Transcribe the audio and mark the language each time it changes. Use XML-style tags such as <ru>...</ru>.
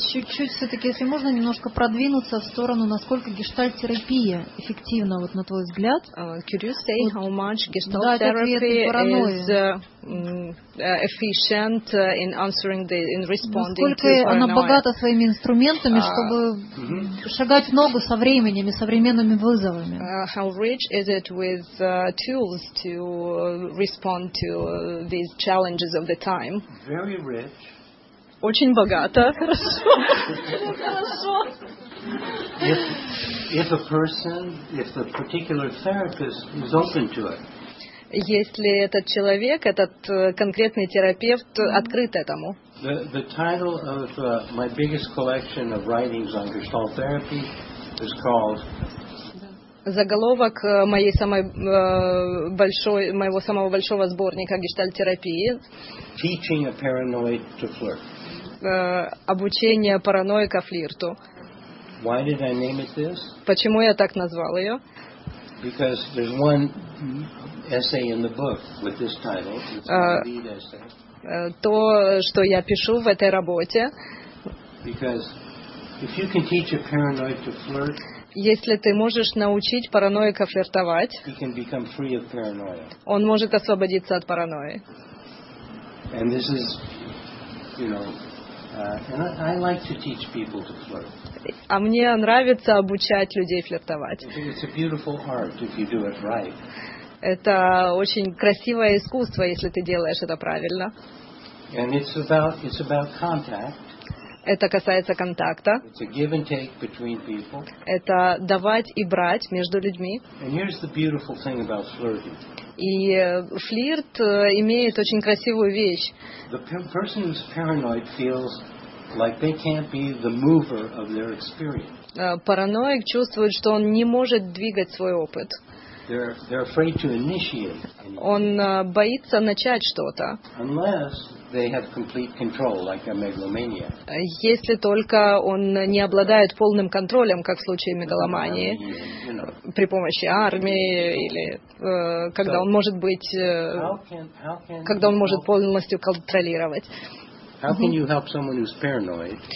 <ru>Чуть-чуть все-таки, если можно, немножко продвинуться в сторону, насколько гештальт-терапия эффективна, вот на твой взгляд.</ru> <en>Could you say how much gestalt-therapy is efficient in answering the, in responding to paranoia?</en> <ru>Насколько она богата своими инструментами, чтобы шагать в ногу со временем и современными вызовами?</ru> <en>How rich is it with tools to respond to these challenges of the time? Very rich.</en> <ru>Очень богато. Хорошо.</ru> <en>If a person, if the particular therapist is open to it.</en> <ru>Если этот человек, этот конкретный терапевт открыт этому.</ru> <en>The title of my biggest collection of writings on Gestalt therapy is called.</en> <ru>Заголовок моей самой большой, моего самого большого сборника гештальт-терапии.</ru> <en>Teaching a paranoid to flirt.</en> <ru>Обучение параноика флирту.</ru> <en>Why did I name it this?</en> <ru>Почему я так назвал ее?</ru> <en>Because there's one essay in the book with this title. It's a lead essay.</en> <ru>То, что я пишу в этой работе.</ru> <en>Because if you can teach a paranoid to flirt.</en> <ru>Если ты можешь научить параноика флиртовать.</ru> <en>He can become free of paranoia.</en> <ru>Он может освободиться от паранойи.</ru> <en>And this is, you know. And I like to teach people to flirt.</en> <ru>А мне нравится обучать людей флиртовать.</ru> <en>It's a beautiful art if you do it right.</en> <ru>Это очень красивое искусство, если ты делаешь это правильно.</ru> <en>And it's about contact.</en> <ru>Это касается контакта.</ru> <en>It's a give and take between people.</en> <ru>Это давать и брать между людьми.</ru> <en>And here's the beautiful thing about flirting.</en> <ru>И флирт имеет очень красивую вещь.</ru> <en>The person who's paranoid feels like they can't be the mover of their experience.</en> <ru>Параноик чувствует, что он не может двигать свой опыт.</ru> <en>They're afraid to initiate.</en> <ru>Он боится начать что-то.</ru> <en>Unless they have complete control, like a megalomania.</en> <ru>Если только он не обладает полным контролем, как в случае мегаломании, при помощи армии или когда он может быть, когда он может полностью контролировать.</ru> <en>How can you help someone who's paranoid?</en>